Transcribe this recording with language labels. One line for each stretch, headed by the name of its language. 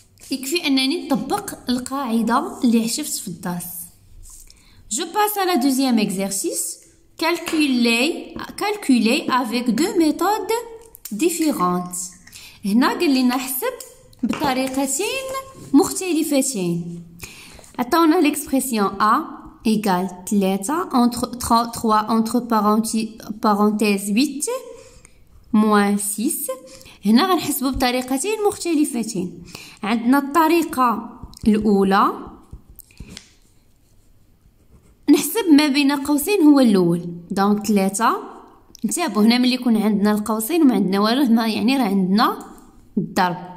Arabic: يكفي انني نطبق القاعده اللي عشفت في الدرس.
French: Je passe à la deuxième exercice. Calculez avec deux méthodes différentes.
Arabic: هنا قال لنا نحسب بطريقتين مختلفتين.
French: عطاونا l'expression A égale 3 entre 3 entre parenthèse 8 moins 6.
Arabic: هنا غنحسبو بطريقتين مختلفتين. عندنا الطريقة الأولى نحسب ما بين قوسين هو الأول، دونك 3. نتابعو هنا ملي يكون عندنا القوسين وما عندنا والو هنا يعني راه عندنا الضرب.